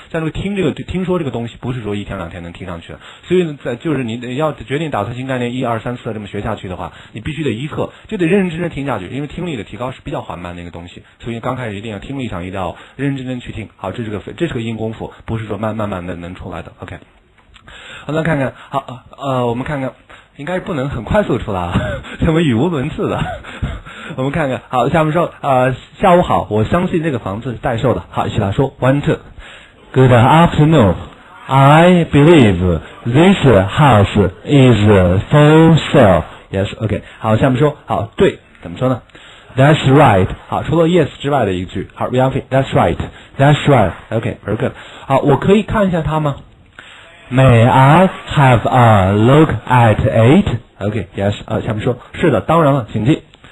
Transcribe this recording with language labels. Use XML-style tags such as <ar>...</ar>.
<zh>像这个听这个听说这个东西，不是说一天两天能听上去的，所以在就是你要决定打算新概念一二三次这么学下去的话，你必须得一课就得认认真真听下去，因为听力的提高是比较缓慢的一个东西，所以刚开始一定要听力上一定要认认真真去听。好，这是个硬功夫，不是说慢慢的能出来的。OK, 好，那看看，好，我们看看，应该不能很快速出来，怎么语无伦次的？我们看看，好，下面说，下午好，我相信这个房子是待售的。好，一起来说 ，</zh> <en>one two, good afternoon, I believe this house is for sale. Yes, OK.</en> <zh>好，下面说，好，对，怎么说呢</zh> <en>？That's right.</en> <zh>好，除了 Yes 之外的一句，好 ，</zh> <en>We have it. That's right. That's right. OK, very good.</en> <zh>好，我可以看一下它吗</zh> <en>？May I have a look at it? OK, Yes.</en> <zh>下面说，是的，当然了，请进。</zh>